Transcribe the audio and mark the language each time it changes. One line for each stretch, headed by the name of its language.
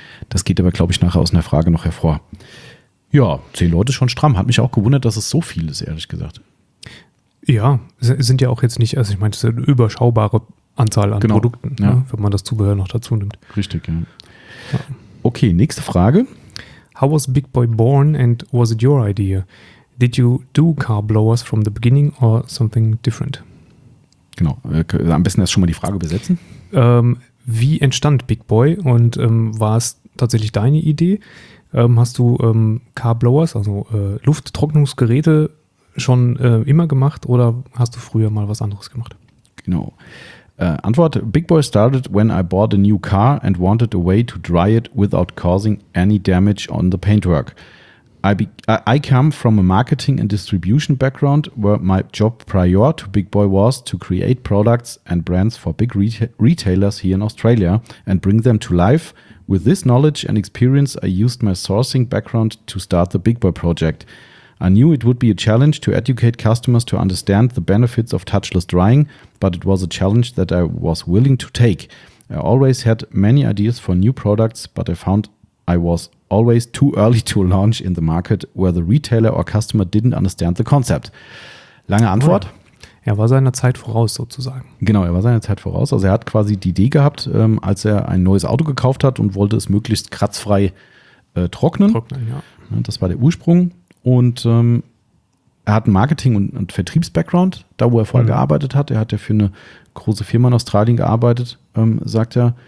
German: Das geht aber, glaube ich, nachher aus einer Frage noch hervor. Ja, 10 Leute schon stramm. Hat mich auch gewundert, dass es so viel ist, ehrlich gesagt. Ja, sind ja auch jetzt nicht, also ich meine, es ist eine überschaubare Anzahl an Produkten, ja. Wenn man das Zubehör noch dazu nimmt. Richtig, ja. Okay, nächste Frage.
English: How was Big Boy born and was it your idea? Did you do car blowers from the beginning or something different?
German: Genau, am besten erst schon mal die Frage übersetzen. Wie entstand Big Boy und war es tatsächlich deine Idee? Hast du Carblowers, also Lufttrocknungsgeräte, schon immer gemacht oder hast du früher mal was anderes gemacht? Genau.
English: Antwort, Big Boy started when I bought a new car and wanted a way to dry it without causing any damage on the paintwork. I come from a marketing and distribution background where my job prior to Big Boy was to create products and brands for big retailers here in Australia and bring them to life. With this knowledge and experience, I used my sourcing background to start the Big Boy project. I knew it would be a challenge to educate customers to understand the benefits of touchless drying, but it was a challenge that I was willing to take. I always had many ideas for new products, but I found I was always too early to launch in the market where the retailer or customer didn't understand the concept.
German: Lange Antwort. Oh ja. Er war seiner Zeit voraus sozusagen. Genau, er war seiner Zeit voraus. Also er hat quasi die Idee gehabt, als er ein neues Auto gekauft hat und wollte es möglichst kratzfrei trocknen. Trocknen, ja. Das war der Ursprung. Und er hat einen Marketing- und Vertriebs-Background, da wo er vorher gearbeitet hat. Er hat ja für eine große Firma in Australien gearbeitet, sagt er.